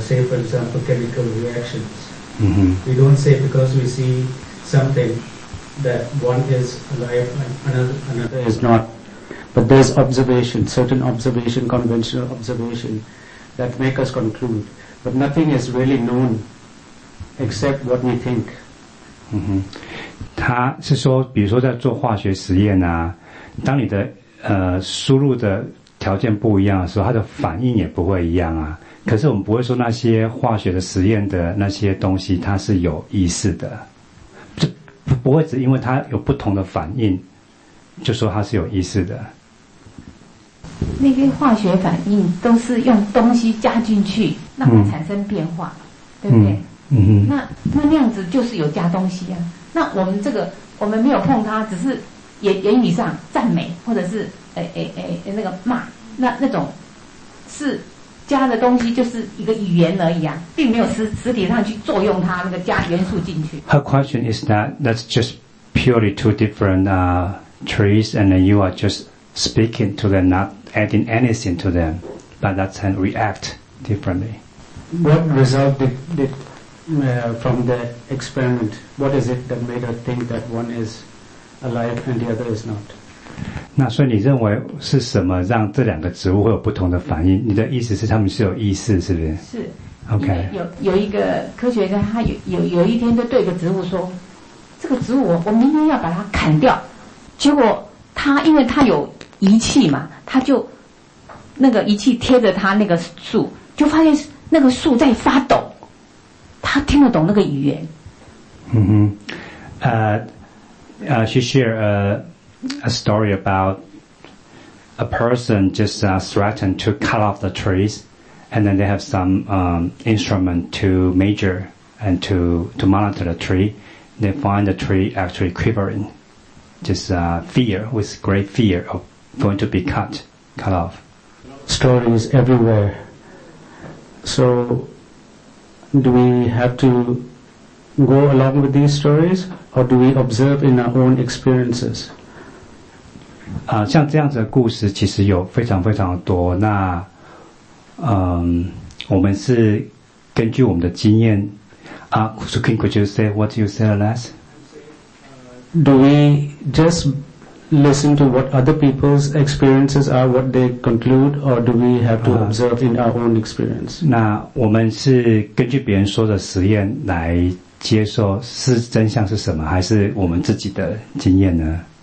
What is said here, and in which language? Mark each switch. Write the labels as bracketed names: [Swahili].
[English] Say for example chemical reactions. We don't say because we see something that one is alive and another is not. But there's observation, certain observation, conventional observation that make us conclude. But nothing is really known except what we think. [Chinese] 他是说，比如说在做化学实验啊，当你的输入的条件不一样的时候，它的反应也不会一样啊。可是我们不会说那些化学的实验的那些东西它是有意识的，就不会只因为它有不同的反应，就说它是有意识的。那些化学反应都是用东西加进去让它产生变化，对不对？嗯，那样子就是有加东西啊。那我们这个我们没有碰它，只是言语上赞美或者是那个骂，那种是加的东西，就是一个语言而已啊，并没有实体上去作用它那个加元素进去。 [English] Her question is that's just purely two different trees, and then you are just speaking to them, not adding anything to them, but that can react differently. What result did from the experiment? What is it that made her think that one is alive and the other is not? [Chinese] 那所以你认为是什么让这两个植物会有不同的反应？你的意思是他们是有意识，是不是？是。 [English] OK。 [Chinese] 有一个科学家，他有一天就对一个植物说：“这个植物我明天要把它砍掉。” 结果他因为他有仪器嘛，他就那个仪器贴着他那个树，就发现那个树在发抖，他听得懂那个语言。 [English] 嗯哼，she shared a story about a person just threatened to cut off the trees, and then they have some instrument to measure and to monitor the tree. They find the tree actually quivering. Just fear, with great fear of going to be cut off. Stories everywhere. So, do we have to go along with these stories, or do we observe in our own experiences? [Chinese] 像这样子的故事其实有非常非常多。那，我们是根据我们的经验。 [English] So King, could you say what you said last? Do we just listen to what other people's experiences are, what they conclude, or do we have to observe in our own experience? [Chinese] 那我们是根据别人说的实验来接受是真相是什么，还是我们自己的经验呢？